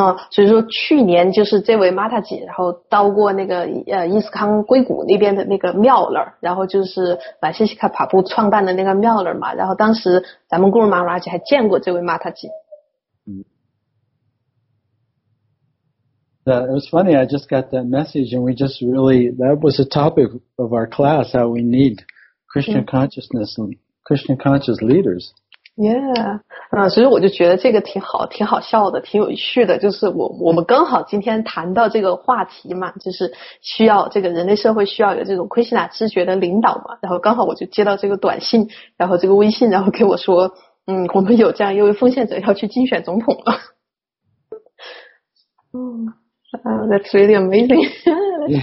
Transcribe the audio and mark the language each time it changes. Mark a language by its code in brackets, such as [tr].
[zh] 所以说去年就是这位玛塔吉，然后到过那个伊斯康硅谷那边的那个庙了，然后就是瓦西西卡帕布创办的那个庙了嘛，然后当时咱们古鲁玛拉吉还见过这位玛塔吉。 [en] It was funny, I just got that message, and we just really, that was a topic of our class, how we need Christian consciousness and Christian conscious leaders. [zh] 所以我就觉得这个挺好，挺好笑的，挺有趣的。就是我们刚好今天谈到这个话题嘛，就是需要这个人类社会需要有这种奎西纳知觉的领导嘛。然后刚好我就接到这个短信，然后这个微信，然后给我说，我们有这样一位奉献者要去竞选总统 [en] That's really amazing. Let's